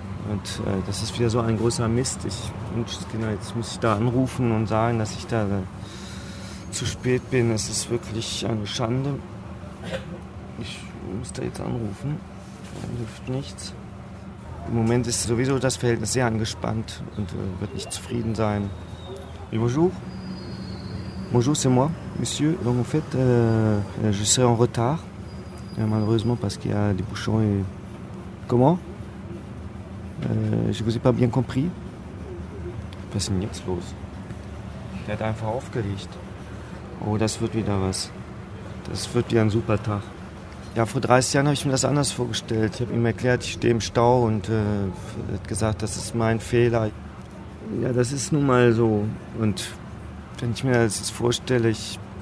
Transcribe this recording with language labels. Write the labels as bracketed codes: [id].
[de] Und das ist wieder so ein großer Mist. Jetzt muss ich da anrufen und sagen, dass ich da zu spät bin. Es ist wirklich eine Schande. Ich muss da jetzt anrufen, dann hilft nichts. Im Moment ist sowieso das Verhältnis sehr angespannt und wird nicht zufrieden sein. [fr] Et bonjour. Bonjour, c'est moi, monsieur. Donc en fait, je serai en retard. Malheureusement, parce qu'il y a des bouchons et... Comment? Je vous ai pas bien compris. [de] Was ist denn jetzt los? Der hat einfach aufgelegt. Oh, das wird wieder was. Das wird wieder ein super Tag. Ja, vor 30 Jahren habe ich mir das anders vorgestellt. Ich habe ihm erklärt, ich stehe im Stau und hat gesagt, das ist mein Fehler. Ja, das ist nun mal so. Und wenn ich mir das jetzt vorstelle, ich,